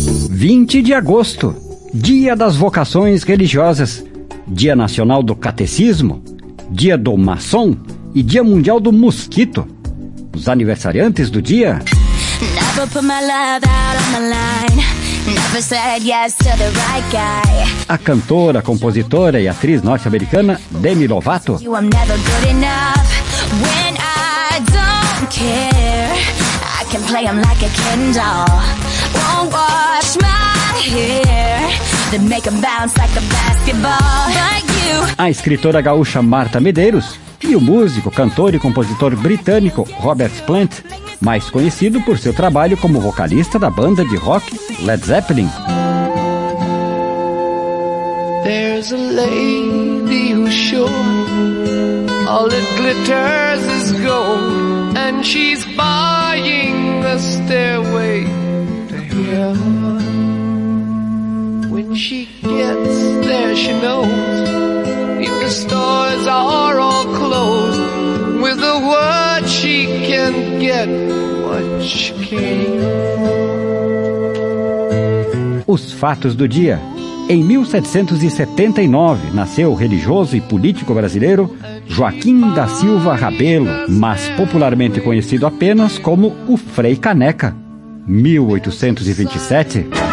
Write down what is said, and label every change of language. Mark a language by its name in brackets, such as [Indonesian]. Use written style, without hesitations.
[Portuguese] 20 de agosto, Dia das Vocações Religiosas, Dia Nacional do Catecismo, Dia do Maçom e Dia Mundial do Mosquito. Os aniversariantes do dia... [English] Never put my love out on the line. Never said yes to the right guy. [Portuguese] A cantora, compositora e atriz norte-americana Demi Lovato. [English] I'm never good enough when I don't care. I can play them like a Ken doll. Won't wash my hair. Then make them bounce like a basketball. Like you. [Portuguese] A escritora gaúcha Marta Medeiros. E o músico, cantor e compositor britânico Robert Plant, mais conhecido por seu trabalho como vocalista da banda de rock Led Zeppelin. [English] There's a lady who's sure all it glitters is gold, and she's buying the stairway to heaven. When she gets there, she knows if the stores are all closed. With a word she can get what she came for. [Portuguese] Os fatos do dia. Em 1779, nasceu o religioso e político brasileiro Joaquim da Silva Rabelo, mas popularmente conhecido apenas como o Frei Caneca. 1827...